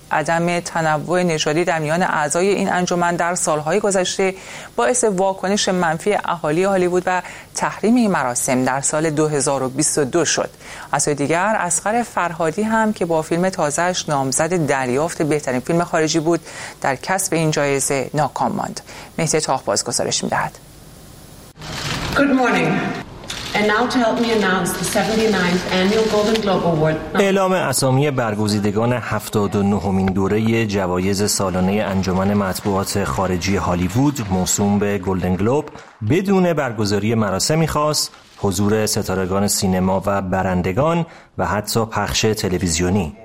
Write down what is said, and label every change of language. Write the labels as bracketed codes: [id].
[fa] عدم تنوع نژادی در میان اعضای این انجمن در سالهای گذشته باعث واکنش منفی اهالی هالیوود و تحریم این مراسم در سال 2022 شد. از سوی دیگر اصغر فرهادی هم که با فیلم تازه‌اش نامزد دریافت بهترین فیلم خارجی بود در کسب این جایزه ناکام ماند. مهدی طاهر بازگزارش می‌دهد. [en] Good morning. And now to help me announce the 79th annual Golden Globe Award. [fa] اعلام اسامی برگزیدگان 79th دوره جوایز سالانه انجمن مطبوعات خارجی هالیوود موسوم به گلدن گلوب بدون برگزاری مراسمی خاص، حضور ستارگان سینما و برندگان و حتی پخش تلویزیونی.